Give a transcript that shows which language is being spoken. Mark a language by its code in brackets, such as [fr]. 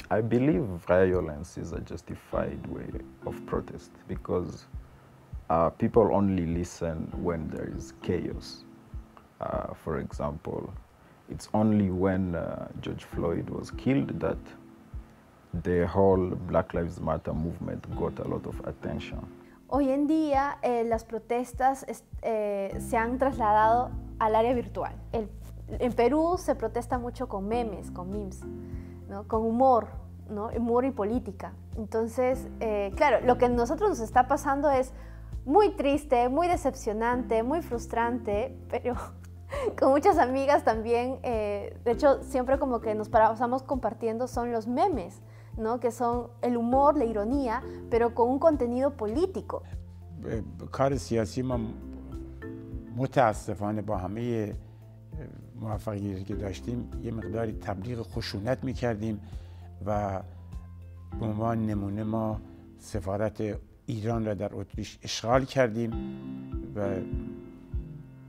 [en] I believe violence is a justified way of protest, because people only listen when there is chaos. For example, it's only when George Floyd was killed that the whole Black Lives Matter movement got a lot of attention. [es] Hoy en día, las protestas se han trasladado al área virtual. En Perú se protesta mucho con memes, con memes, ¿no? Con humor, ¿no? Humor y política. Entonces, claro, lo que a nosotros nos está pasando es muy triste, muy decepcionante, muy frustrante, pero con muchas amigas también. De hecho, siempre como que nos pasamos compartiendo son los memes, ¿no? Que son el humor, la ironía, pero con un contenido político. [fa] كار سياسي ما متاسفانه با همه موفقیتی که داشتیم یه مقداری تبلیغ خشونت می‌کردیم و به عنوان نمونه ما سفارت ایران را در اتریش اشغال کردیم و تا